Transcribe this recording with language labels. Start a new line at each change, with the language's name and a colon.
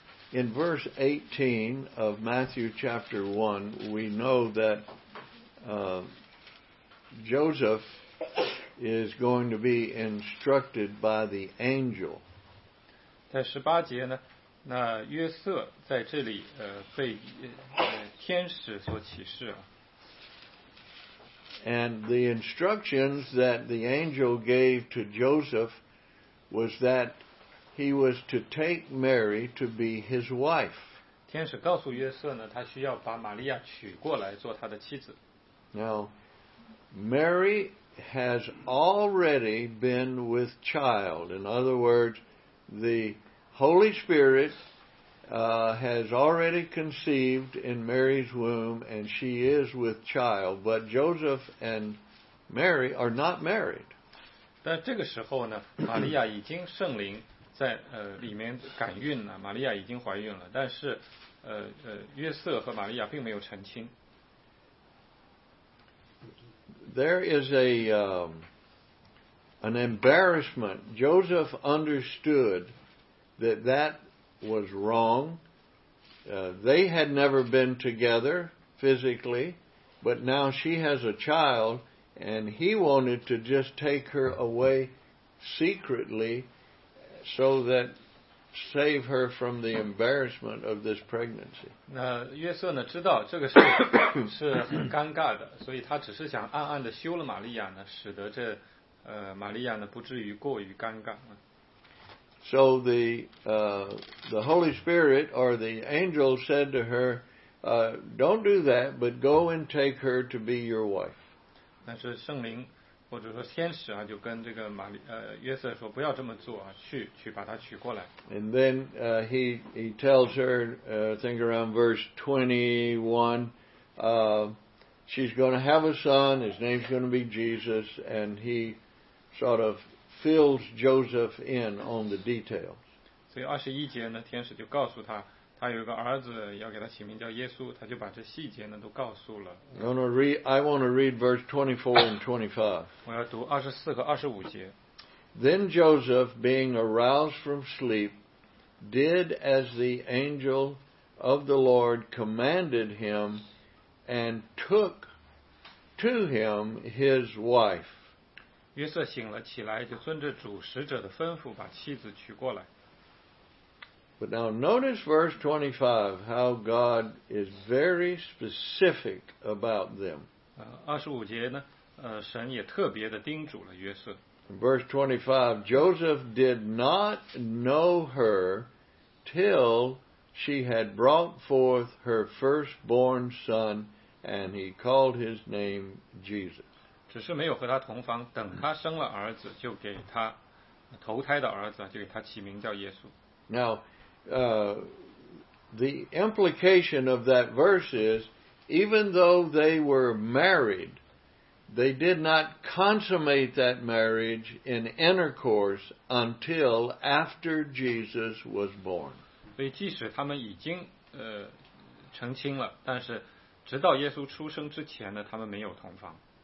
English: In verse 18 of Matthew chapter 1, we know that Joseph is going to be instructed by the angel.
Chinese: 在十八节呢，那约瑟在这里被天使所启示啊。
English: And the instructions that the angel gave to Joseph was that he was to take Mary to be his wife.
Chinese: 天使告诉约瑟呢，他需要把玛利亚娶过来做他的妻子。
English: Now, Mary has already been with child. In other words, the Holy Spirit has already conceived in Mary's womb, and she is with child. But Joseph and Mary are not married.
Chinese: 但这个时候呢，玛利亚已经圣灵在里面感孕了，玛利亚已经怀孕了，但是约瑟和玛利亚并没有成亲。
English: There is an embarrassment. Joseph understood that was wrong. They had never been together physically, but now she has a child, and he wanted to just take her away secretly so that save her from the embarrassment of this pregnancy.
Chinese: 那约瑟呢知道这个是很尴尬的，所以他只是想暗暗的休了玛利亚呢，使得这玛利亚呢不至于过于尴尬。
English: So the Holy Spirit or the angel said to her, don't do that, but go and take her to be your wife.
Chinese: 但是圣灵或者说天使啊，就跟这个约瑟说，不要这么做啊，去把她娶过来。
English: And then he tells her, think around verse 21, she's going to have a son, his name's going to be Jesus, and he sort of fills Joseph in on the details.
Chinese: 所以二十一节呢，天使就告诉他，他有一个儿子，要给他起名叫耶稣，他就把这细节呢都告诉了。
English: I want to read verse 24 and 25.
Chinese: 我要读二十四和二十五节。
English: Then Joseph, being aroused from sleep, did as the angel of the Lord commanded him, and took to him his wife.
Chinese: 约瑟醒了起来，就遵着主使者的吩咐，把妻子娶过来。
English: But now notice verse 25, how God is very specific about them.
Chinese: 25节呢，神也特别的叮嘱了约瑟。
English: Verse 25, Joseph did not know her till she had brought forth her firstborn son, and he called his name Jesus.
Chinese: 只是没有和他同房，等他生了儿子，就给他头胎的儿子，就给他起名叫耶稣。
English: Now, the implication of that verse is, even though they were married, they did not consummate that marriage in intercourse until after Jesus was born.
Chinese: 所以即使他们已经成亲了，但是直到耶稣出生之前呢，他们没有同房。